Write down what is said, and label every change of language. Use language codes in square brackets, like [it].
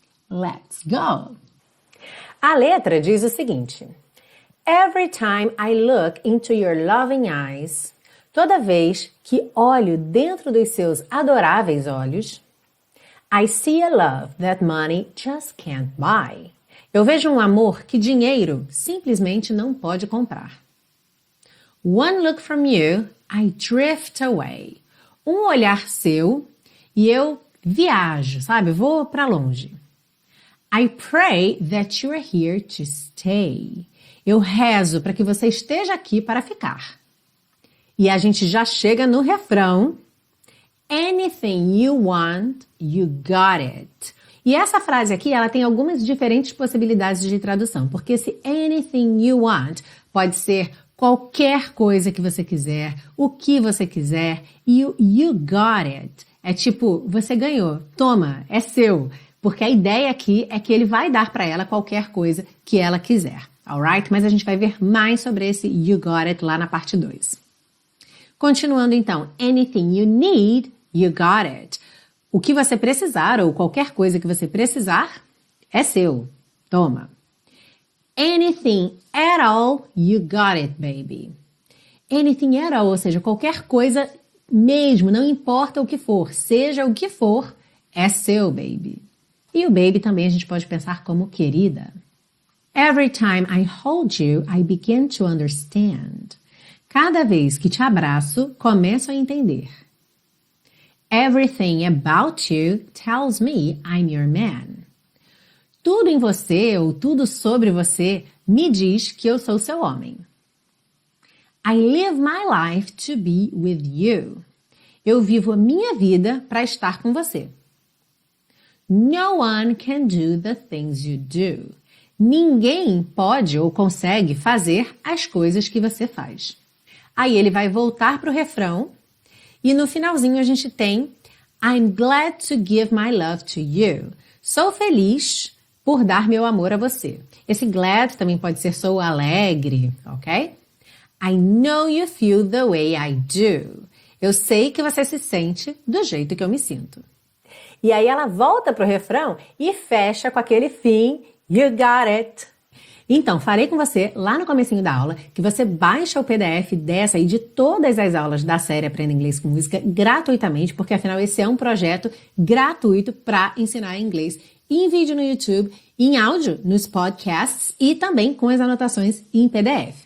[pt] Let's go! A letra diz o seguinte: [en] Every time I look into your loving eyes, [pt] toda vez que olho dentro dos seus adoráveis olhos, [en] I see a love that money just can't buy. [pt] Eu vejo um amor que dinheiro simplesmente não pode comprar. [en] One look from you, I drift away. [pt] Um olhar seu e eu viajo, sabe? Vou para longe. [en] I pray that you are here to stay. [pt] Eu rezo para que você esteja aqui para ficar. E a gente já chega no refrão. [en] Anything you want, you got it. [pt] E essa frase aqui, ela tem algumas diferentes possibilidades de tradução, porque esse [en] anything you want [pt] pode ser qualquer coisa que você quiser, o que você quiser, e o [en] you got it [pt] é tipo, você ganhou, toma, é seu, porque a ideia aqui é que ele vai dar para ela qualquer coisa que ela quiser, [en] alright? [pt] Mas a gente vai ver mais sobre esse [en] you got it [pt] lá na parte 2. Continuando então, [en] anything you need, you got it. [pt] O que você precisar ou qualquer coisa que você precisar é seu. Toma. [en] Anything at all, you got it, baby. Anything at all, [pt] ou seja, qualquer coisa mesmo, não importa o que for, seja o que for, é seu, baby. E o baby também a gente pode pensar como querida. [en] Every time I hold you, I begin to understand. [pt] Cada vez que te abraço, começo a entender. [en] Everything about you tells me I'm your man. [pt] Tudo em você ou tudo sobre você me diz que eu sou seu homem. [en] I live my life to be with you. [pt] Eu vivo a minha vida para estar com você. [en] No one can do the things you do. [pt] Ninguém pode ou consegue fazer as coisas que você faz. Aí ele vai voltar para o refrão. E no finalzinho a gente tem [en] I'm glad to give my love to you. [pt] Sou feliz por dar meu amor a você. Esse glad também pode ser sou alegre, ok? [en] I know you feel the way I do. [pt] Eu sei que você se sente do jeito que eu me sinto. E aí ela volta para o refrão e fecha com aquele fim [en] You got it! [pt] Então, falei com você lá no comecinho da aula que você baixa o PDF dessa e de todas as aulas da série Aprenda Inglês com Música gratuitamente, porque afinal esse é um projeto gratuito para ensinar inglês em vídeo no YouTube, em áudio nos podcasts e também com as anotações em PDF.